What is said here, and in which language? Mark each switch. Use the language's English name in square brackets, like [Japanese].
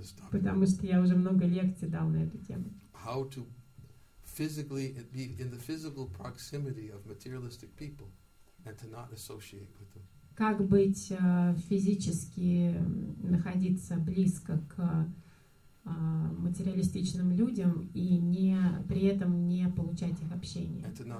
[Russian] Потому что я уже много лекций дал на эту тему. [English] How to physically be in the physical proximity of materialistic people and to not associate with them. [Russian] Как как быть физически, находиться близко к материалистичным людям и не, при этом не получать их общение.